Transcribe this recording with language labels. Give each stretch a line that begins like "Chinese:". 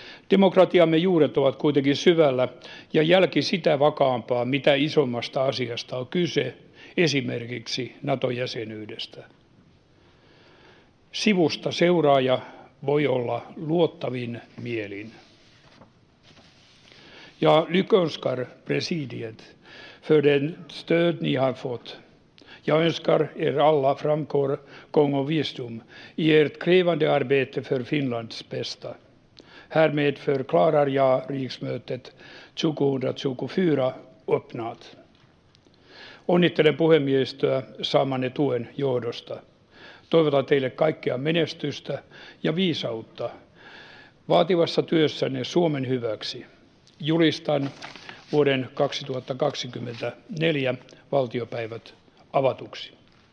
Finnish: Demokratiamme juuret ovat kuitenkin syvällä ja jälki sitä vakaampaa, mitä isommasta asiasta on kyse, esimerkiksi NATO-jäsenyydestä. Sivusta seuraaja voi olla luottavin mielin.
Swedish: Ja lyckönskar presidiet för den stöd ni har fått. Jag önskar er alla framgång, gång och visdom i ert krävande arbete för Finlands bästa. Härmed förklarar jag riksmötet 2024 öppnat.
Finnish: Onnittelen puhemiehistöä saamanne tuen johdosta. Toivotan teille kaikkea menestystä ja viisautta vaativassa työssänne Suomen hyväksi. Julistan vuoden 2024 valtiopäivät avatuksi.